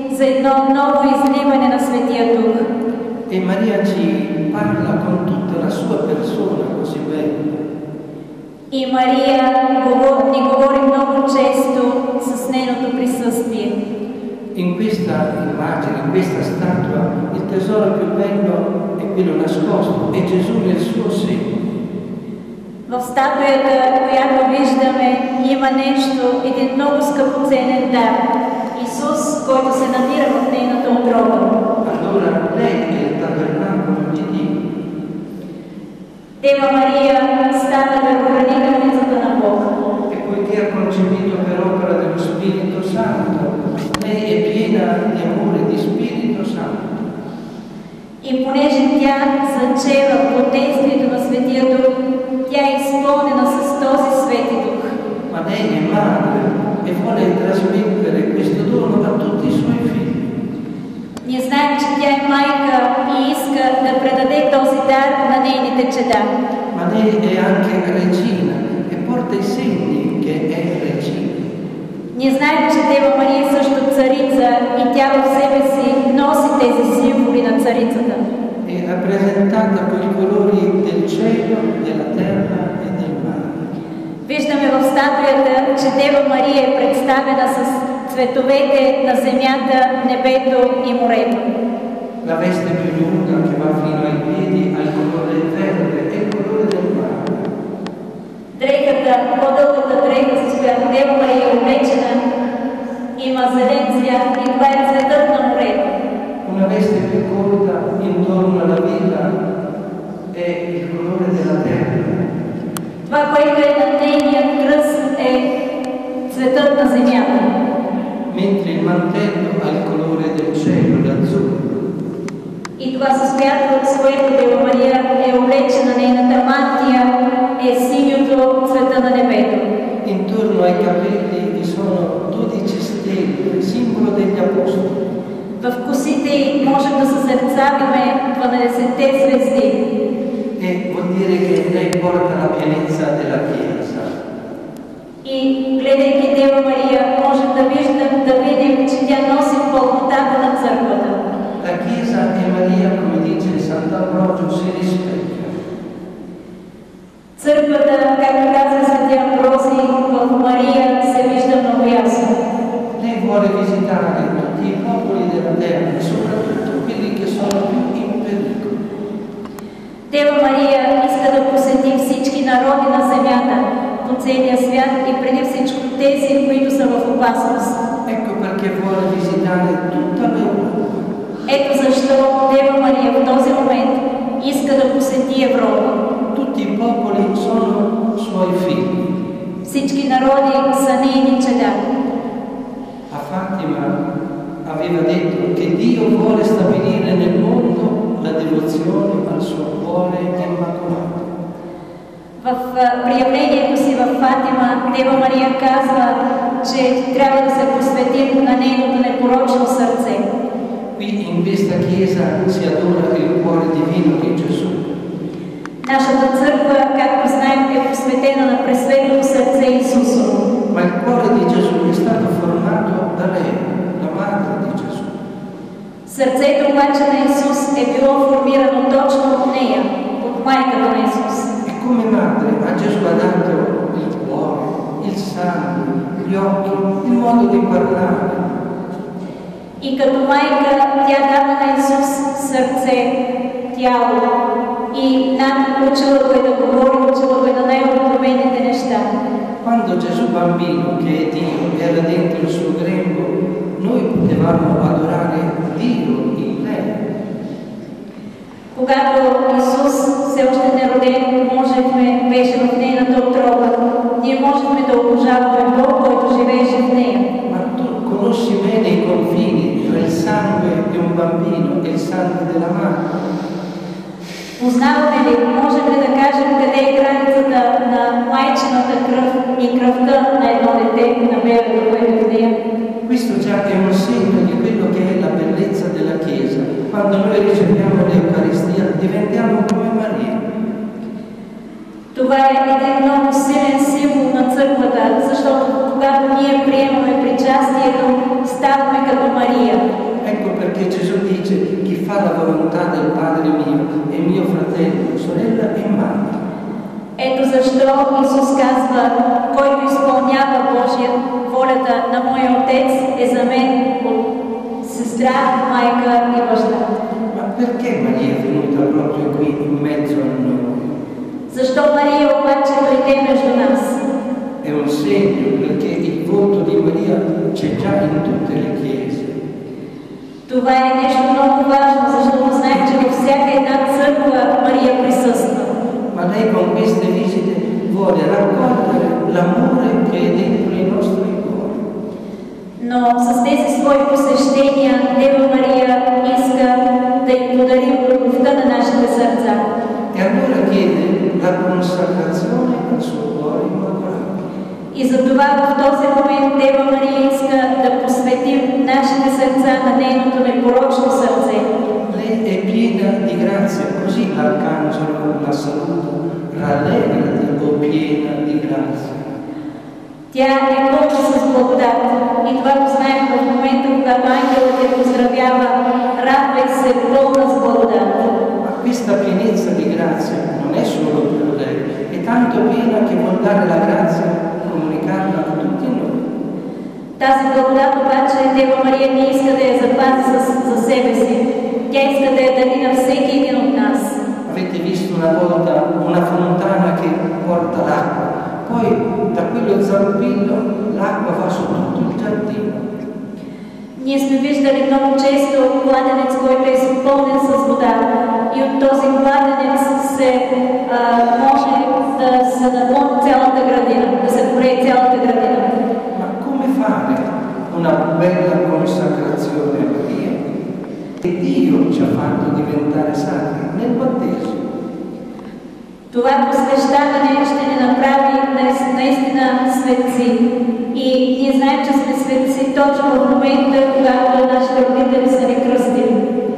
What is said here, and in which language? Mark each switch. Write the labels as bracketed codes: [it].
[bg] за едно ново изливане на Светия Дух. [it] E Maria ci parla con tutta la sua persona così bella. [bg] И Мария ни говори много често с нейното присъствие. [it] In questa immagine, in questa statua, il tesoro più bello è quello nascosto, è Gesù nel suo seno. [bg] В статуята, която виждаме, има нещо, един много скъпоценен дар. Исус, който се намира в нейната утроба. [it] Allora lei è il tabernacolo di Dio. [bg] Дева Мария става дарохранителницата на Бог. [it] E poiché ha concepito per opera dello Spirito Santo, lei è piena di amore di Spirito Santo. [bg] И понеже тя зачева под действието на Светия Дух, тя е изпълнена с този Свети Дух. [it] Ma lei è madre e vuole trasmettere questo dono a tutti i suoi figli. [bg] Ние знаем, че тя е майка и иска да предаде този дар на нейните чеда. [it] Ma lei è anche regina e porta i segni che è regina. [bg] Ние знаем, че Дева Мария е също царица и тя в себе си носи тези символи на царицата. [it] È rappresentata con i colori del cielo, della terra e del mare. [bg] Виждаме в статуята, че Дева Мария е представена с цветовете на земята, небето и морето. [it] La veste più lunga che va fino ai piedi ha il colore verde e il colore del mare. [bg] Дрехата, по-дългата дреха, с която Дева Мария е облечена, има зелен цвят и това е цветът на морето. [it] Una veste più corta intorno alla vita è il colore della terra. [bg] Това, което е на нейния кръст, е цветът на земята. [it] Mentre il mantello ha il colore del cielo, l'azzurro. [bg] И това, с която своето Дева Мария е облечена, нейната мантия е синьото, цвета на небето. [it] Intorno ai capelli vi sono 12 stelle, simbolo degli apostoli. [bg] В косите може да се съзерцаваме 12-те звезди. [it] E vuol dire che lei porta la pienezza della Chiesa. [bg] И гледайки Дева Мария, можем да виждам, да видим, че тя носи пълнотата на църквата. [it] La Chiesa e Maria, come dice Sant'Ambrogio, si rispecchia. [bg] Църквата, както каза Свети Амброзий, в Мария се вижда много ясно. [it] Lei vuole visitare tutti i popoli della terra, soprattutto quelli che sono più in pericolo. [bg] Дева Мария иска да посети всички народи на земята, по целия свят и преди всичко тези, които са в опасност. [it] Ecco perché vuole visitare tutta l'Europa. [bg] Ето защо Дева Мария в този момент иска да посети Европа. [it] Tutti i popoli sono suoi figli. [bg] Всички народи са нейни чада. [it] A Fatima aveva detto che Dio vuole stabilire nel mondo la devozione al suo cuore immacolato. [bg] В приявлението си в Фатима Дева Мария казва, че трябва да се посветим на нейното непорочно сърце. [it] Qui in questa chiesa si adora il cuore divino di Gesù. [bg] Нашата църква, както знаем, е посветена на пресветлото сърце Исусо. [it] Ma il cuore di Gesù è stato formato da lei, la madre di Gesù. [bg] Сърцето обаче на Исус е било формирано точно от нея, от майката на Исус. [it] E come madre ha Gesù dato il cuore, il sangue, gli occhi, il modo di parlare. [bg] И като майка тя дава на Исус сърце, тяло и начин, по чулото е да говори, по чулото е да най-откровените неща. [it] Quando Gesù bambino, che è Dio, era dentro il suo grembo, noi potevamo adorare Dio in lei. [bg] Когато Исус все още не роден, можехме, беше в нейната утроба, ние можехме да обожаваме Бог, който живееше в нея. [it] Ma tu conosci bene i confini tra il sangue di un bambino e il sangue della madre. [bg] Познаваме ли, можем ли да кажем къде е границата на майчината кръв и кръвта на едно дете, на бебето, което е нея? [it] Questo già è un segno di quello che è la bellezza della Chiesa. Quando noi riceviamo l'Eucaristia, diventiamo come Maria. [bg] Това е един много силен символ. символ на църквата, защото когато ние приемаме причастието, ставаме като Мария. [it] Ecco perché Gesù dice chi fa la volontà del Padre mio è mio fratello, sorella e madre. [bg] Ето защо Исус казва, който изпълнява Божия волята на моя отец е за мен сестра, майка и баща. [it] Ma perché Maria è venuta proprio qui in mezzo a noi? [bg] Защо Мария обаче дойде между нас? [it] È un segno perché il volto di Maria c'è già in tutte le chiese. [bg] Това е нещо много важно, защото знаем, че във всяка една църква Мария присъства. [it] Ma lei con queste visite vuole raccogliere l'amore che è dentro i nostri cuori. [bg] Но с тези свои посещения Дева Мария иска да им подари любовта на нашите сърца. [it] E allora chiede la consacrazione al suo cuore immacolato. [bg] И затова в този момент Дева Мария иска да посветим нашите сърца на нейното непорочно сърце. [it] Lei è piena di grazia, così l'Arcangelo la saluta, rallegrati o piena di grazia. [bg] Тя е пълна с благодат и това го знаем в момента, когато ангелът я поздравява, радвай се пълна с благодат. [it] Ma questa pienezza di grazia non è solo per lei, è tanto piena che vuol dare la grazia, comunicarla a tutti noi. [bg] Тази благодат обаче Дева Мария не иска да я запази за себе си. Тя иска да я дари на всеки един от нас. [it] Avete visto una volta una fontana che porta l'acqua, poi da quello zampillo l'acqua va su tutto il giardino. [bg] Ние сме виждали много често кладенец, който е изпълнен с вода и от този кладенец се може да се напълни цялата градина, да се горе цялата градина. [it] Ma come fare una bella consacrazione a Maria? E Dio ci ha fatto diventare santi nel battesimo. [bg] Това посвещаване ще ни направи наистина светци. И ние знаем, че сме светци точно в момента, когато нашите родители са ни кръстили.